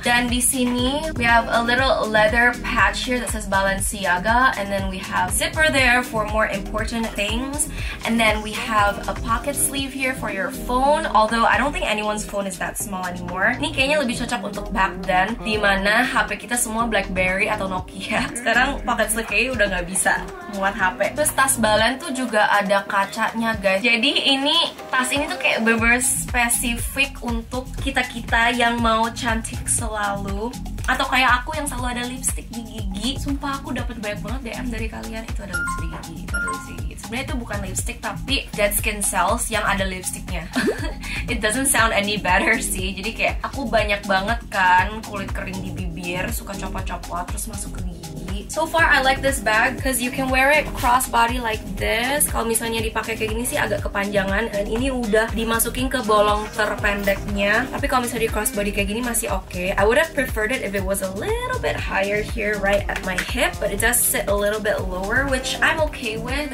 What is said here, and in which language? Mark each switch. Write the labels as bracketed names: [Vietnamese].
[Indonesian] Dan di sini [English] we have a little leather patch here that says Balenciaga, and then we have zipper there for more important things, and then we have a pocket sleeve here for your phone. Although I don't think anyone's phone is that small anymore. [Indonesian] Ini kayaknya lebih cocok untuk [English] back then, [Indonesian] di mana HP kita semua BlackBerry atau Nokia. Sekarang pocket sleeve kayaknya udah nggak bisa muat HP. Terus tas Balen tuh juga ada kacanya guys. Jadi ini tas ini tuh kayak bener-bener spesifik untuk kita-kita yang mau cantik selalu, atau kayak aku yang selalu ada lipstick di gigi. Sumpah aku dapat banyak banget DM dari kalian, itu ada lipstick di gigi, itu ada lipstick di gigi. Sebenernya itu bukan lipstick tapi dead skin cells yang ada lipsticknya. [English] It doesn't sound any better [Indonesian] sih. Jadi kayak aku banyak banget kan kulit kering di bibir, suka copot-copot terus masuk ke gigi. [English] So far I like this bag because you can wear it cross body like this. [Indonesian] Kalau misalnya dipakai kayak gini sih agak kepanjangan, dan ini udah dimasukin ke bolong terpendeknya. Tapi kalau misalnya di cross body kayak gini masih okay. [English] I would have preferred it if it was a little bit higher here right at my hip, but it does sit a little bit lower, which I'm okay with.